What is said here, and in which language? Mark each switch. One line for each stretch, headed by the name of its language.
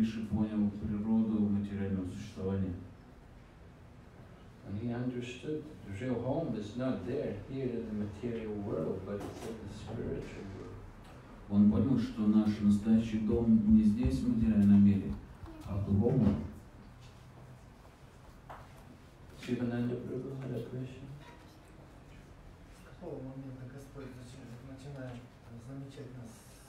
Russian: понял природу материального существования.
English: And he understood that the real home is not there, here in the material world, but it's in the spiritual world.
Russian: Он понял, что наш настоящий дом не здесь, в материальном мире, а в другом. Шивананда Прабху, had a question? С какого момента Господь начинает замечать нас?